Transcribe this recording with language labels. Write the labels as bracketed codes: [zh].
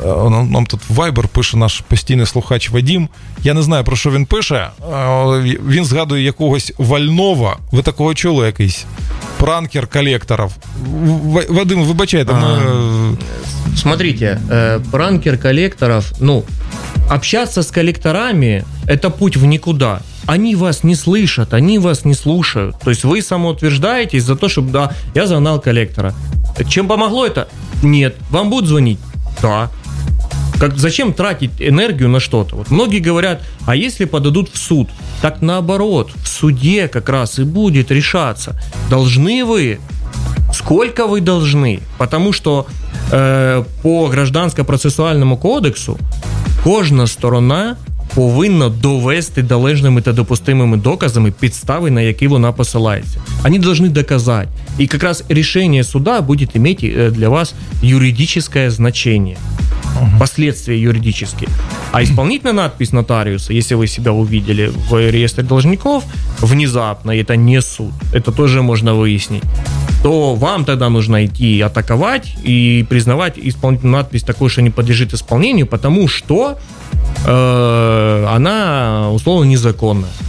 [uk] Нам тут Viber пише наш постійний слухач Вадим. Я не знаю, про що він пише. Він згадує якогось Вального. Ви такого чули якийсь? [ru] Пранкер коллекторов. [uk] Вадим, вибачайте. [ru] Смотрите, пранкер коллекторов, ну, общаться с коллекторами – это путь в никуда. они вас не слышат, они вас не слушают. То есть вы самоутверждаетесь за то, чтобы, да, я загнал коллектора. Чем помогло это? Нет. Вам будут звонить? Да. Как, зачем тратить энергию на что-то? Вот многие говорят, а если подадут в суд? Так наоборот, в суде как раз и будет решаться, должны вы, сколько вы должны. Потому что по гражданско-процессуальному кодексу [uk] кожна сторона повинна довести належними та допустимими доказами підстави, на які вона посилається. Вони повинні доказати. І якраз рішення суду буде мати для вас юридичне значення. [ru] Последствия юридические. А исполнительная надпись нотариуса, если вы себя увидели в реестре должников внезапно, это не суд, это тоже можно выяснить, то вам тогда нужно идти атаковать и признавать исполнительную надпись такой, что не подлежит исполнению, потому что она условно незаконна.